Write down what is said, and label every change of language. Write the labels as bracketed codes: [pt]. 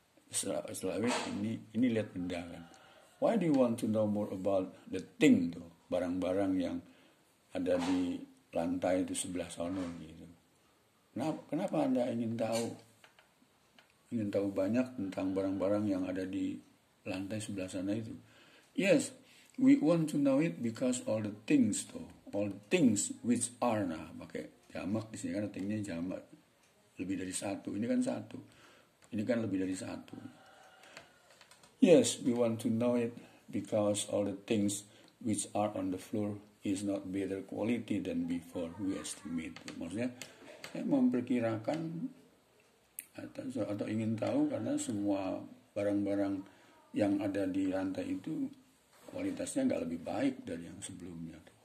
[id] Setelah ini lihat benda kan. [en] Why do you want to know more about the thing tuh? [id] Barang-barang yang ada di lantai itu sebelah sono gitu. Kenapa Anda ingin tahu banyak tentang barang-barang yang ada di lantai sebelah sana itu? [en] Yes, we want to know it because all the things though, all the things which are, [id] nah pakai jamak di sini kan artinya jamak lebih dari satu, [en] ini kan lebih dari satu. Yes, we want to know it because all the things which are on the floor is not better quality than before we estimate. [id] Maksudnya saya memperkirakan atau ingin tahu karena semua barang-barang yang ada di lantai itu kualitasnya nggak lebih baik dari yang sebelumnya.